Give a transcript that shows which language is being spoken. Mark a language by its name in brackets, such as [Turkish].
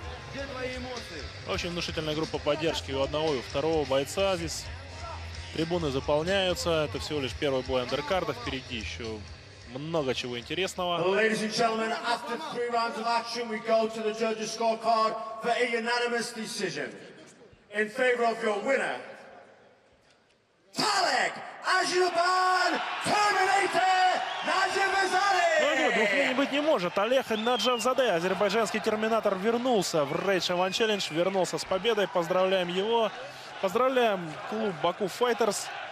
[Russian] Где твои эмоции? Очень внушительная группа поддержки у одного и у второго бойца здесь. Трибуны заполняются. Это всего лишь первый бой андеркарда. Впереди еще много чего интересного. [English] Ladies and gentlemen, after three rounds of action, we go to the judges' scorecard for a unanimous decision in favor of your winner. [Russian] Талек Ажубан, Терминатор Наджавзаде! Двух мнений быть не может. Олег Наджавзаде, азербайджанский терминатор, вернулся в Rage One Challenge, вернулся с победой. Поздравляем его. Поздравляем клуб Baku Fighters.